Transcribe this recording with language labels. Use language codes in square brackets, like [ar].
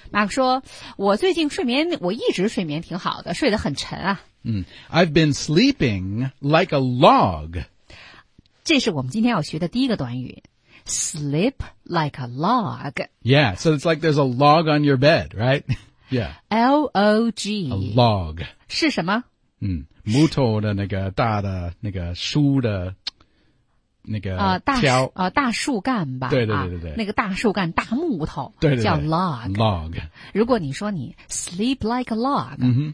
[zh] Mark 说我最近睡眠我一直睡眠挺好的睡得很沉啊。 [en] 嗯、I've been sleeping like a log. [zh] 这是我们今天要学的第一个短语。 [en] Sleep like a log. Yeah, so it's like there's a log on your bed, right? Yeah. L-O-G. A log. [zh] 是什么嗯木头的那个大的那个书的那个条、大树干吧。对、啊。那个大树干大木头。对。叫 log。 [en] log。 [zh] 如果你说你 [en] sleep like a log,、 mm-hmm.